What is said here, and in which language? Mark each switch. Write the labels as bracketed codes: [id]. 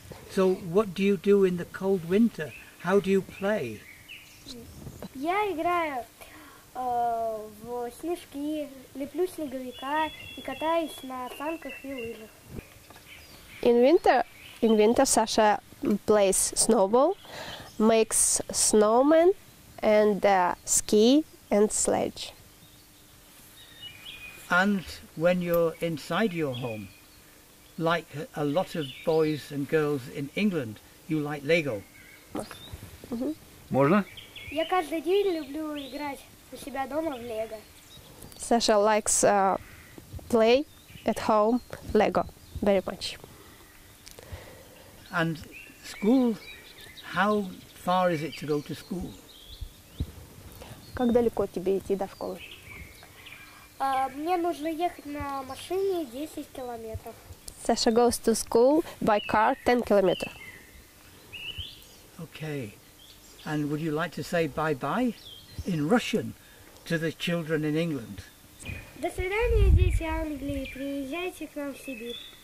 [en] So what do you do in the cold winter? How do you play? [ru] Я играю в снежки, леплю снеговика и катаюсь на санках и лыжах. [en] In winter Sasha plays snowball, makes snowmen and ski and sledge. And when you're inside your home, like a lot of boys and girls in England, you like Lego. [ru] Можно? Я каждый день люблю играть у себя дома в Lego. [en] Sasha likes play at home Lego very much. And school, how far is it to go to school? [ru] Как далеко тебе идти до школы? Мне нужно ехать на машине 10 километров. [en] Sasha goes to school by car 10 kilometers. Okay. And would you like to say bye-bye in Russian to the children in England? [ru] До свидания, дети Англии. Приезжайте к нам в Сибирь.